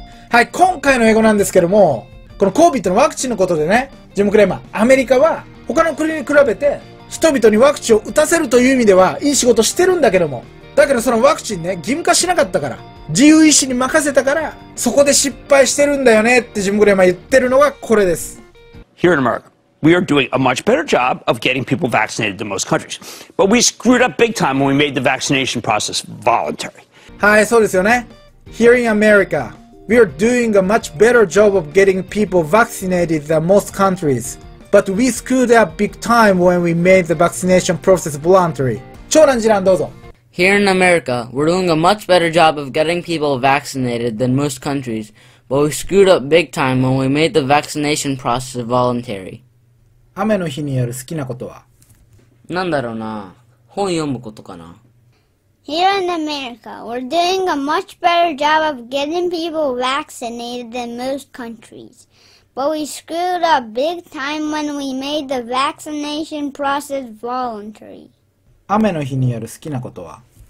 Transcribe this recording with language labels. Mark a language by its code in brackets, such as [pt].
[ja] はい、今回の英語なんですけども、このCOVIDのワクチンのことでね、ジムクレーマー、アメリカは他の国に比べて人々にワクチンを打たせるという意味ではいい仕事してるんだけども、だけどそのワクチンね、義務化しなかったから、自由意志に任せたから、そこで失敗してるんだよねってジムクレーマー言ってるのがこれです。 [en] Here in America, we are doing a much better job of getting people vaccinated than most countries. But we screwed up big time when we made the vaccination process voluntary. [ja] はい、そうですよね。 [en] Here in America,We are doing a much better job of getting people vaccinated than most countries. But we screwed up big time when we made the vaccination process voluntary. [ja] 長男次男どうぞ。 [en] Here in America, we're doing a much better job of getting people vaccinated than most countries. But we screwed up big time when we made the vaccination process voluntary. [ja] 雨の日にやる好きなことは？なんだろうな。本読むことかな。 [en] Here in America, we're doing a much better job of getting people vaccinated than most countries. But we screwed up big time when we made the vaccination process voluntary. [ja] 雨の日にやる好きなことは？